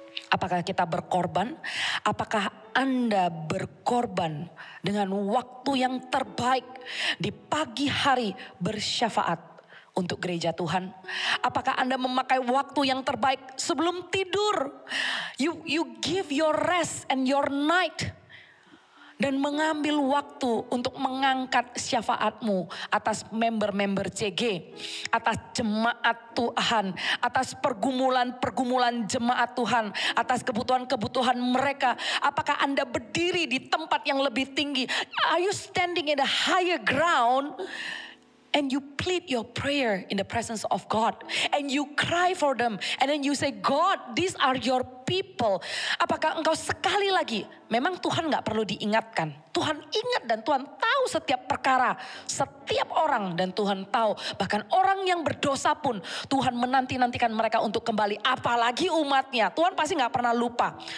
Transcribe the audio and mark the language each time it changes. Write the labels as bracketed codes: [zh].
[id] Apakah kita berkorban? Apakah Anda berkorban dengan waktu yang terbaik di pagi hari bersyafaat untuk gereja Tuhan? Apakah Anda memakai waktu yang terbaik sebelum tidur? [en] You give your rest and your night. [id] Dan mengambil waktu untuk mengangkat syafaatmu atas member-member CG, atas jemaat Tuhan, atas pergumulan-pergumulan jemaat Tuhan, atas kebutuhan-kebutuhan mereka. Apakah Anda berdiri di tempat yang lebih tinggi? [en] Are you standing in a higher ground? And you plead your prayer in the presence of God. And you cry for them. And then you say, God, these are your people. [id] Apakah engkau sekali lagi, memang Tuhan gak perlu diingatkan. Tuhan ingat dan Tuhan tahu setiap perkara. Setiap orang dan Tuhan tahu. Bahkan orang yang berdosa pun, Tuhan menanti-nantikan mereka untuk kembali. Apalagi umatnya. Tuhan pasti gak pernah lupa.